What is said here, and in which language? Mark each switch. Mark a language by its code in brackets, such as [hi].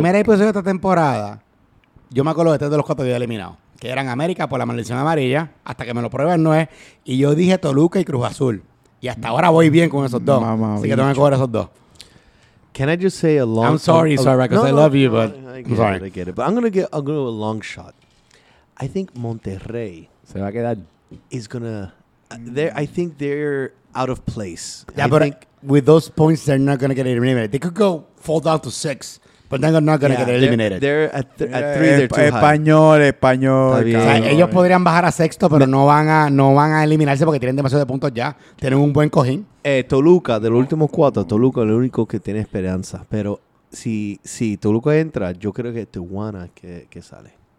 [es] En el primer episodio de esta temporada, yo me acuerdo de tres de los cuatro que había eliminado, que eran América por la maldición amarilla, hasta que me lo prueben, no es. Y yo dije Toluca y Cruz Azul. Y hasta ahora voy bien con esos dos. Mamá, así que tengo que coger esos dos. [en] Can I just say a long shot? I'm sorry, Sarah, because no, I love you, but I get it. But I'm going to go a long shot. I think Monterrey [es] se va a quedar. [en] Is going to... I think they're out of place. Yeah, with those points, they're not going to get eliminated. They could go fall down to 6, but they're not going to get eliminated. They're at three, they're too high. [es] Español. O sea, ellos podrían bajar a sexto, pero no van a eliminarse porque tienen demasiado de puntos ya. Tienen un buen cojín. Toluca, de los últimos cuatro, Toluca es el único que tiene esperanza. Pero si Toluca entra, yo creo que es Tijuana que sale.